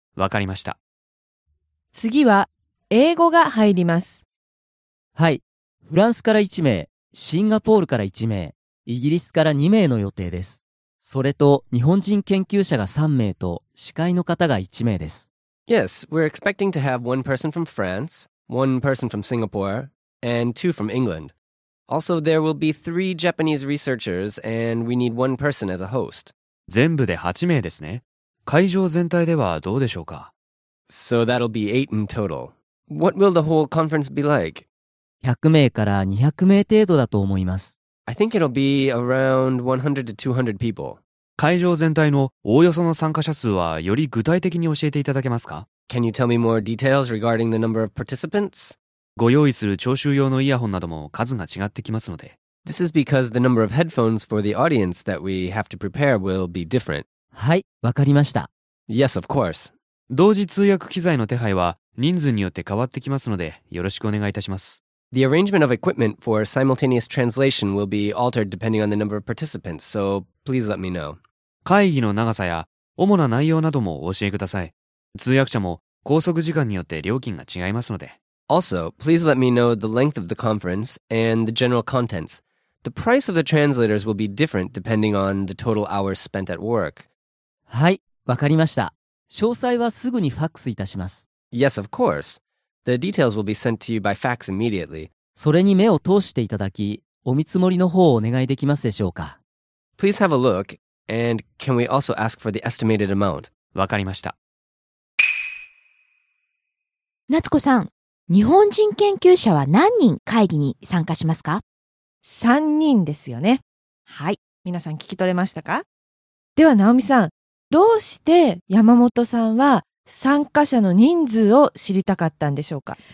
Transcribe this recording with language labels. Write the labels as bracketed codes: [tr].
[ja] わかりました。次は、英語が入ります。はい。フランスから1名、シンガポールから1名、イギリスから2名の予定です。それと、日本人研究者が3名と、司会の方が1名です。 [en] Yes, we're expecting to have one person from France, one person from Singapore, and two from England. Also, there will be three Japanese researchers, and we need one person as a host. [ja] 全部で8名ですね。会場全体ではどうでしょうか? [en] So that'll be 8 in total. What will the whole conference be like? [ja] 100名から200名程度だと思います。 [en] I think it'll be around 100 to 200 people. [ja] 会場全体のおおよその参加者数はより具体的に教えていただけますか? [en] Can you tell me more details regarding the number of participants? [ja] ご用意する聴衆用のイヤホンなども数が違ってきますので。 [en] This is because the number of headphones for the audience that we have to prepare will be different. [ja] はい、わかりました。 [en] Yes, of course. [ja] 同時通訳機材の手配は人数によって変わってきますので、よろしくお願いいたします。 [en] The arrangement of equipment for simultaneous translation will be altered depending on the number of participants, so please let me know. [ja] 会議の長さや主な内容などもお教えください。通訳者も拘束時間によって料金が違いますので。 [en] Also, please let me know the length of the conference and the general contents. The price of the translators will be different depending on the total hours spent at work. [ja] はい、わかりました。詳細はすぐにファックスいたします。 [en] Yes, of course. The details will be sent to you by fax immediately. [ja] それに目を通していただき、お見積もりの方をお願いできますでしょうか。 [en] Please have a look, and can we also ask for the estimated amount? [ja] わかりました。夏子さん。日本人研究者は何人会議に参加しますか ?3人ですよね。はい、皆さん聞き取れましたか?では、ナオミさん、どうして山本さんは参加者の人数を知りたかったんでしょうか?